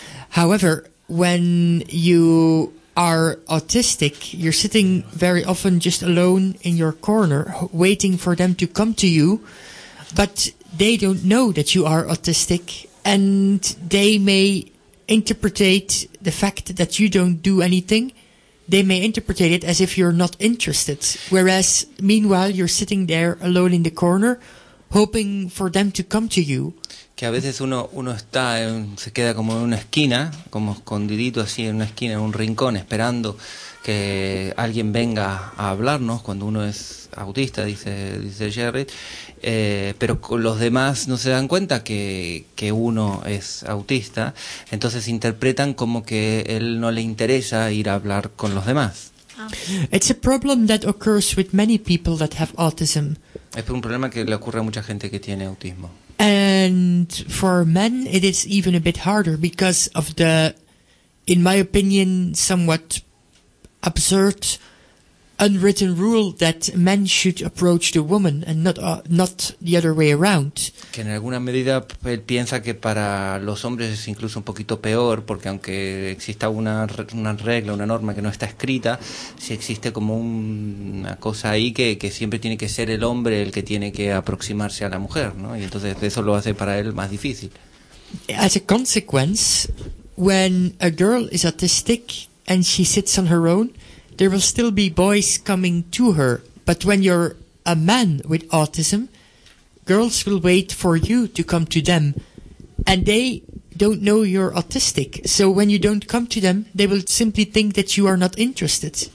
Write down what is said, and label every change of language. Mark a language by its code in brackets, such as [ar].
[en] However, when you are autistic, you're sitting very often just alone in your corner waiting for them to come to you, but they don't know that you are autistic. And they may interpretate the fact that you don't do anything, they may interpretate it as if you're not interested. Whereas, meanwhile, you're sitting there alone in the corner, hoping for them to come to you. [es] que a veces uno está se queda como en una esquina, como escondidito así en una esquina, en un rincón, esperando que alguien venga a hablarnos cuando uno es autista, dice Jerry, pero los demás no se dan cuenta que uno es autista, entonces interpretan como que él no le interesa ir a hablar con los demás. [en] It's a problem that occurs with many people that have autism. [es] Es un problema que le ocurre a mucha gente que tiene autismo. [en] And for men, it is even a bit harder because of the, in my opinion, somewhat absurd, unwritten rule that men should approach the woman and not the other way around. [es] Que en alguna medida él piensa que para los hombres es incluso un poquito peor, porque aunque exista una regla, una norma que no está escrita, sí existe como una cosa ahí que siempre tiene que ser el hombre el que tiene que aproximarse a la mujer, ¿no? Y entonces eso lo hace para él más difícil. [en] As a consequence, when a girl is autistic and she sits on her own, there will still be boys coming to her. But when you're a man with autism, girls will wait for you to come to them. And they don't know you're autistic. So when you don't come to them, they will simply think that you are not interested.